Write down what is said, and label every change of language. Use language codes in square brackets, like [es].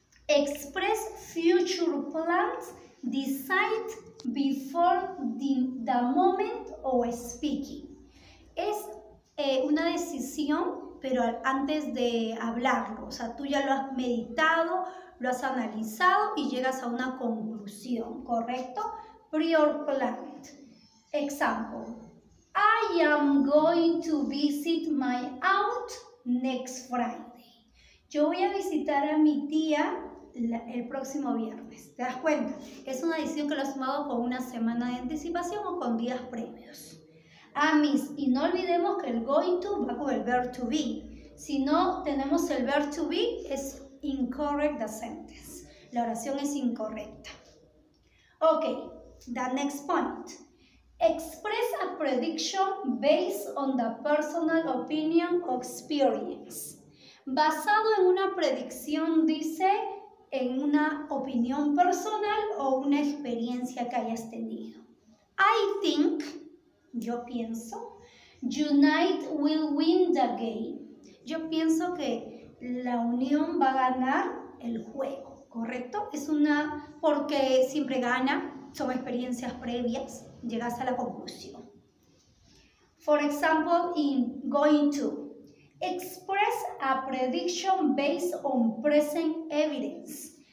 [en] Express future plans, decide before the moment of speaking. [es] Es una decisión, pero antes de hablarlo. O sea, tú ya lo has meditado, lo has analizado y llegas a una conclusión, ¿correcto? [en] Prior plan. Example. I am going to visit my aunt next Friday. [es] Yo voy a visitar a mi tía el próximo viernes. ¿Te das cuenta? Es una decisión que lo has tomado con una semana de anticipación o con días previos. Amis, y no olvidemos que el going to va con el verb to be. Si no tenemos el verb to be, es [en] incorrect the sentence. [es] La oración es incorrecta. Ok, [en] the next point. Express a prediction based on the personal opinion or experience. [es] Basado en una predicción, dice, en una opinión personal o una experiencia que hayas tenido. [en] I think, [es] yo pienso, [en] United will win the game. [es] Yo pienso que la Unión va a ganar el juego, ¿correcto? Es una, porque siempre gana, son experiencias previas, llegas a la conclusión. [en] For example, in going to, express a prediction based on present evidence.